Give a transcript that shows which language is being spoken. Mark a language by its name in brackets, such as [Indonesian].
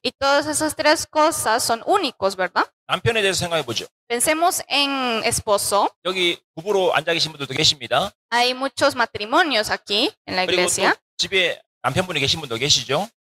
[Spanish] Y todas esas tres cosas son únicos, ¿verdad? [Korean] 남편에 대해서 생각해 보죠. [Spanish] Pensemos en esposo. [Korean] 여기 부부로 앉아 계신 분들도 계십니다. [Spanish] Hay muchos matrimonios aquí en la iglesia. [Korean] 그리고 집에 남편분이 계신 분도 계시죠.